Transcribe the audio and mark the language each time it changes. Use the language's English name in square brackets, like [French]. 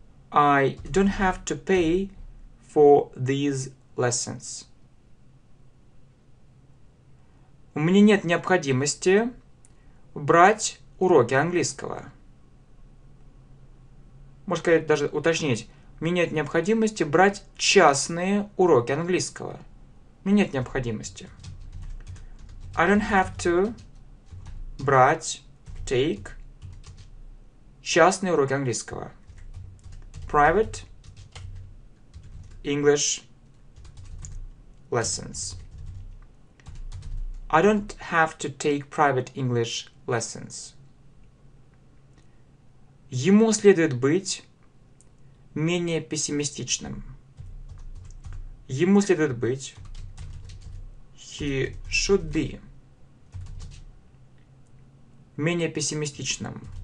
[English] I don't have to pay for these lessons. [Russian] У меня нет необходимости брать уроки английского. Можно сказать, даже уточнить. У меня нет необходимости брать частные уроки английского. У меня нет необходимости. [English] I don't have to [Russian] брать, [English] take, [Russian] частные уроки английского. [English] Private English lessons. I don't have to take private English lessons. [Russian] Ему следует быть менее пессимистичным. Ему следует быть [English] he should be [Russian] менее пессимистичным.